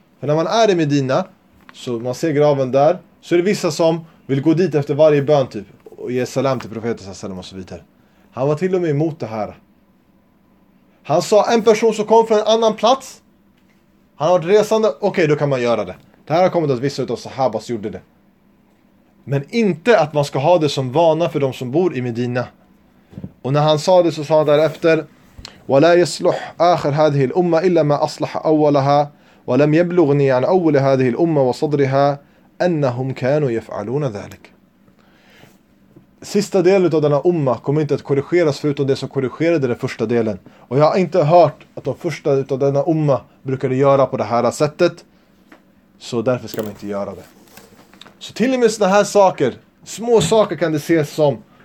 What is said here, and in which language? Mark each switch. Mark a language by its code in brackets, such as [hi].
[sv] För när man är i Medina, så man ser graven där, så är det vissa som vill gå dit efter varje bön typ och ge salam till profeten sallallahu alaihi wasallam och så vidare. Han var till och med emot det här. Han sa: "En person som kom från en annan plats, han har varit resande, okej, då kan man göra det." Det här har kommit att vissa utav sahabas gjorde det. Men inte att man ska ha det som vana för de som bor i Medina. Och när han sa det, så sa han därefter: [ar] "وَلَا يَصْلُحْ آخَرْ هَذِهِ الْأُمَّ إِلَّا مَا أَصْلَحَ أَوَّلَهَا وَلَمْ يَبْلُغْنِي عَنْ أَوَّلِ هَذِهِ الْأُمَّ وَصَدْرِهَا أَنَّهُمْ كَانُوا يَفْعَلُونَ ذَلِكَ." [sv] sista delen av denna umma kommer inte att korrigeras förutom det som korrigerade den första delen. Och jag har inte hört att de första av denna umma brukade göra på det här sättet. Så därför ska man inte göra det. Så till och med sådana här saker, små saker kan det ses som.